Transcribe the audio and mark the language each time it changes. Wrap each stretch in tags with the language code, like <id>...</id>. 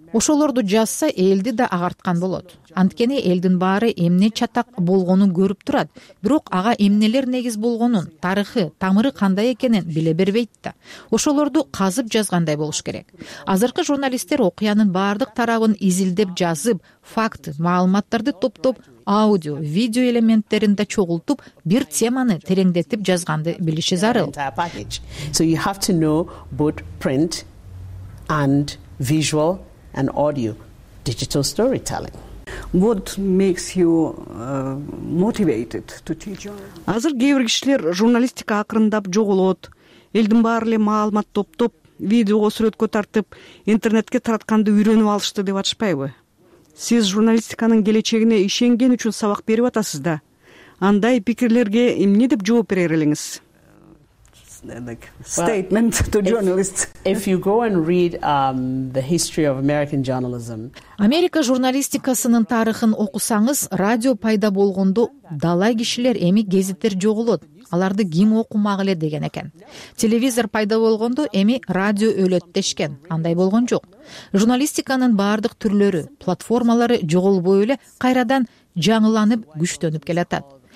<ky>Ошолорду жазса, элди да агарткан болот. Анткени элдин баары эмне чатак болгонун көрүп турат, бирок ага эмнелер негиз болгонун, тарыхы, тамыры кандай экенин биле бербейт да. Ошолорду казып жазгандай болуш керек. Азыркы журналисттер окуянын баардык тарабын изилдеп жазып, факт, маалыматтарды топтоп, аудио, видео элементтерин да чогултуп, бир теманы тереңдетип жазганды билиши зарыл.</ky> <en>So you have to know both print and visual and audio, digital storytelling. What makes you motivated to teach?</en> <ky>Азыр кээбир кишилер журналистика акырындап жоголот, элдин баары эле маалымат топтоп, видеого сүрөткө тартып, интернетке таратканды үйрөнүп алышты деп атышпайбы? Сиз журналистиканын келечегине ишенген үчүн сабак берип атасыз да. андай пикирлерге эмне деп жооп берер элеңиз?</ky> <en>Statement to journalists. If you go and read the history of American journalism,</en> <ky>Америка журналистикасынын тарыхын окусаңыз, радио пайда болгондо далай кишилер эми газеттер жоголот. Аларды ким окумак эле деген экен. Телевизор пайда болгондо эми радио өлөт дешкен. Андай болгон жок. Журналистиканын бардык түрлөрү, платформалары жоголбой эле кайрадан жаңыланып күчтөнүп келатат.</ky>